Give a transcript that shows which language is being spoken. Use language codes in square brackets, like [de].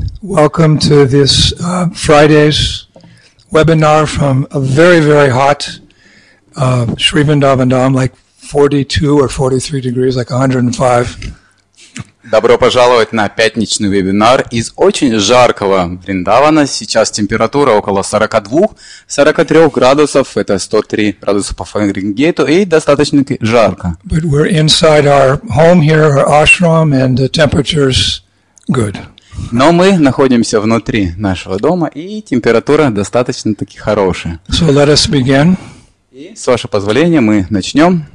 [en] Welcome to this Friday's webinar from a very, very hot Sri Vrindavan Dham, like 42 or 43 degrees, like 105. [ru] Добро пожаловать на пятничный вебинар из очень жаркого Вриндавана. Сейчас температура около 42-43 градусов, это 103 градуса по Фаренгейту, и достаточно жарко. [en] But we're inside our home here, our ashram, and the temperature's good. [ru] Но мы находимся внутри нашего дома, и температура достаточно-таки хорошая. [en] So let us begin. [ru] И, с вашего позволения, мы начнем.